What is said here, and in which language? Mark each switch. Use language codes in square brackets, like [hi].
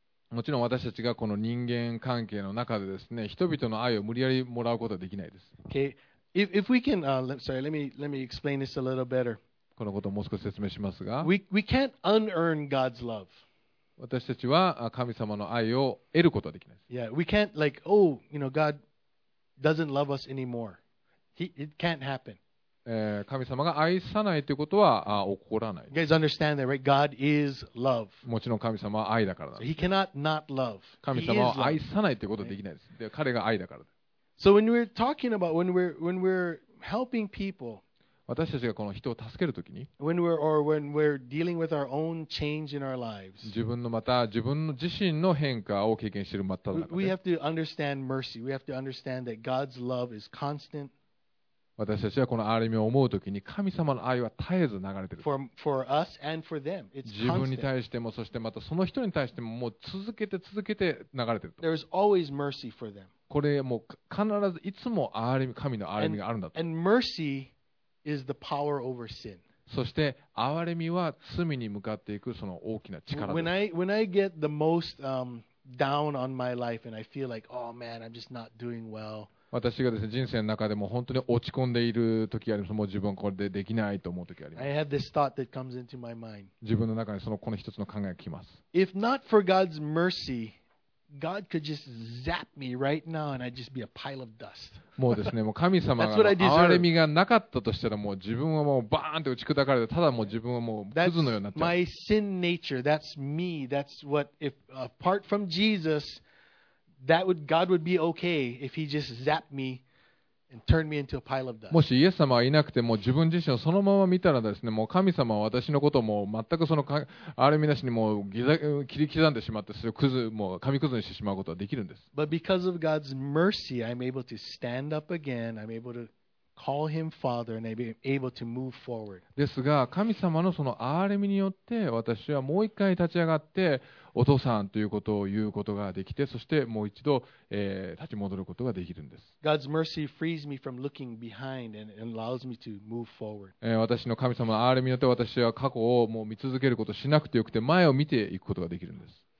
[ja] もちろん私たちがこの人間関係の中でですね、人々の愛を無理やりもらうことはできないです。 [en] Okay. If we can, sorry, let me explain this a little better. [ja] このことをもう少し説明しますが、 [en] we can't unearn God's love. [ja] 私たちは神様の愛を得ることはできない。 [en] Yeah, we can't like, oh, you know, God doesn't love us anymore. It can't happen. [ja] 神様が愛さないということは起こらない。 [en] You guys understand that, right? God is love. [ja] もちろん神様は愛だからだ。 [en] So、he cannot not love. [ja] 神様を愛さないということはできないです。で、彼が愛だからだ。 [en] So when we're talking about when we're helping people, [ja] 私たちがこの人を助けるときに、 [en] when we're dealing with our own change in our lives, [ja] 自分のまた自分の自身の変化を経験している真っ只中で、 [en] we have to understand mercy. We have to understand that God's love is constant. [ja] 私たちはこの憐れみを思うときに、神様の愛は絶えず流れている。 [en] For us and for them, it's constant. [ja] 自分に対しても、そしてまたその人に対しても、もう続けて続けて流れていると。 [en] There is always mercy for them. [ja] これもう必ずいつも憐れみ、神の憐れみがあるんだと。 [en] And mercy is the power over sin. [ja] そして憐れみは罪に向かっていくその大きな力です。 [en] When I get the most down on my life and I feel like, oh man, I'm just not doing well. [ja] 私がですね、人生の中でも本当に落ち込んでいる時があります。もう自分はこれでできないと思う時があります。 [en] I have this thought that comes into my mind. [ja] 自分の中にそのこの一つの考えが来ます。 [en] If not for God's mercy, God could just zap me right now and I'd just be a pile of dust. [ja] もうですね、もう神様が憐れみがなかったとしたら、もう自分はもうバーンって打ち砕かれて、ただもう自分はもうクズのようになっちゃう。 [en] That's my sin nature. That's me. That's what if apart from Jesus, that would God would be okay if he just zapped me. And turn me into a pile of dust. [ja] もしイエス様はいなくても自分自身をそのまま見たらですね、もう神様は私のことをもう全くそのあれみなしにもうギザ切り刻んでしまって、それをクズもう紙くずにしてしまうことはできるんです。 [en] But because of God's mercy, I'm able to stand up again. I'm able to call Him Father, and I'm able to move forward. [ja] ですが、神様のその憐れみによって私はもう一回立ち上がって。お父さんということを言うことができて、そしてもう一度、立ち戻ることができるんです。 [en] God's mercy frees me from looking behind and allows me to move forward. [ja] 私の神様の憐れみによって私は過去をもう見続けることをしなくてよくて、前を見ていくことができるんです。